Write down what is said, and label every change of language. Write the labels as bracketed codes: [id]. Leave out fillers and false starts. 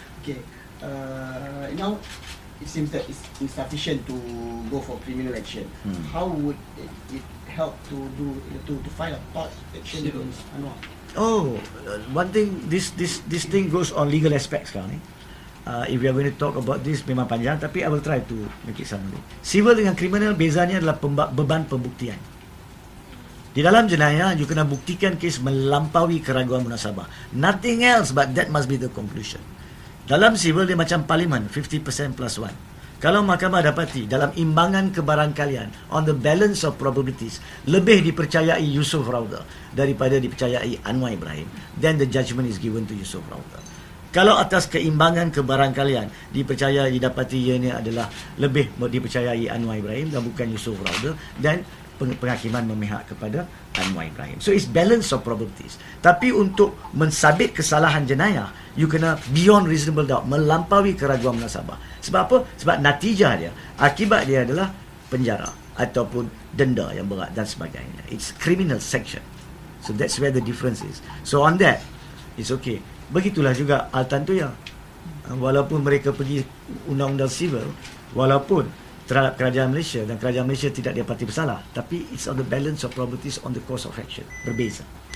[en] Okay, now it seems that it's insufficient to go for criminal action. How would it help to file a part action against Anwar? Oh, one thing, this thing goes on legal aspects kan? If we are going to talk about this, [ms] memang panjang, tapi [en] I will try to make it summary. [ms] Civil dengan criminal, bezanya adalah beban pembuktian. Di dalam jenayah, you kena buktikan kes melampaui keraguan munasabah. [en] Nothing else but that must be the conclusion. [ms] Dalam civil, dia macam parlimen, 50% plus one. Kalau mahkamah dapati, dalam imbangan kebarangkalian, [en] on the balance of probabilities, [ms] lebih dipercayai Yusof Rauda daripada dipercayai Anwar Ibrahim, [en] then the judgment is given to Yusof Rauda. [ms] Kalau atas keimbangan kebarangkalian dipercayai didapati ianya adalah lebih dipercayai Anwar Ibrahim dan bukan Yusof Rauda, dan penghakiman memihak kepada Anwar Ibrahim. [en] So it's balance of probabilities. [ms] Tapi untuk mensabit kesalahan jenayah, you kena [en] beyond reasonable doubt, [ms] melampaui keraguan munasabah. Sebab apa? Sebab natijah dia, akibat dia adalah penjara ataupun denda yang berat dan sebagainya. [en] It's criminal section. So that's where the difference is. So on that, it's okay. [ms] Begitulah juga Al-Tantuya. Walaupun mereka pergi undang-undang civil, walaupun terhadap kerajaan Malaysia, dan kerajaan Malaysia tidak dapati bersalah, tapi [en] it's on the balance of probabilities on the course of action. [ms] Berbeza.